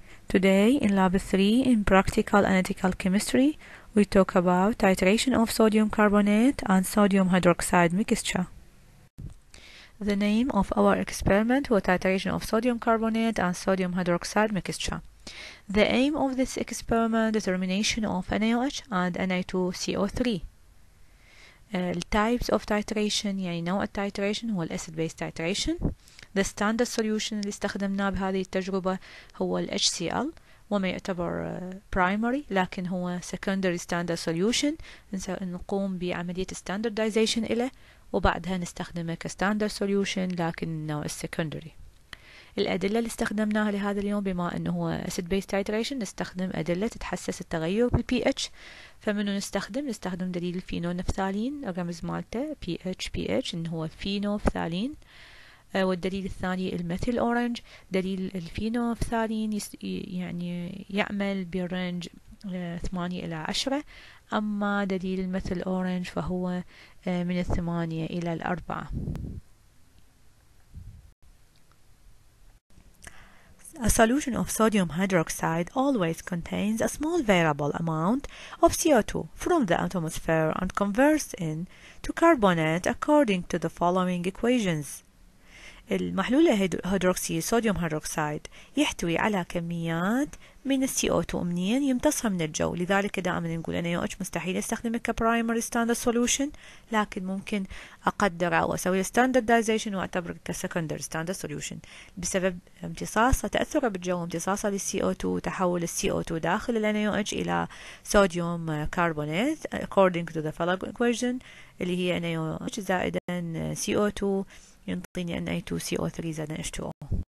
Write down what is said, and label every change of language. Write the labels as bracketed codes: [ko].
[en] Today in lab 3 in practical analytical chemistry, we talk about titration of sodium carbonate and sodium hydroxide mixture. The name of our experiment was titration of sodium carbonate and sodium hydroxide mixture. The aim of this experiment is determination of NaOH and Na2CO3. Types of titration, [ar] يعني نوع التيتريشن هو الأسيد بيس تيتريشن. [en] The standard solution [ar] اللي استخدمناه بهذه التجربة هو ال HCl وما يعتبر primary لكن هو secondary standard solution. نقوم بعملية standardization إله وبعدها نستخدمه كstandard solution لكن نوع secondary. الأدلة اللي استخدمناها لهذا اليوم بما أنه هو acid base titration نستخدم أدلة تتحسس التغير بال pH. فمنو نستخدم؟ نستخدم دليل الفينونفثالين الرمز مالته pH إنه هو فينوفثالين. والدليل الثاني الميثيل أورنج. دليل الفينوفثالين يعني يعمل برنج 8 إلى 10، أما دليل الميثيل أورنج فهو من 8 إلى 4. [en] A solution of sodium hydroxide always contains a small variable amount of CO2 from the atmosphere and converts in to carbonate according to the following equations. [ar] المحلول هيدروكسي صوديوم هيدروكسيد يحتوي على كميات من CO2 منين يمتصها من الجو، لذلك دائما نقول NaOH مستحيل استخدمه كبرايمري ستاندرد سوليوشن، لكن ممكن اقدر او اسوي ستاندردايزيشن واعتبره كسكندر ستاندرد سوليوشن بسبب امتصاصه تاثره بالجو امتصاصه للCO2 وتحول الCO2 داخل ال NaOH الى صوديوم كربونات [en] according to the following equation [ar] اللي هي NaOH زائد CO2 ينطيني Na2CO3 زائد H2O.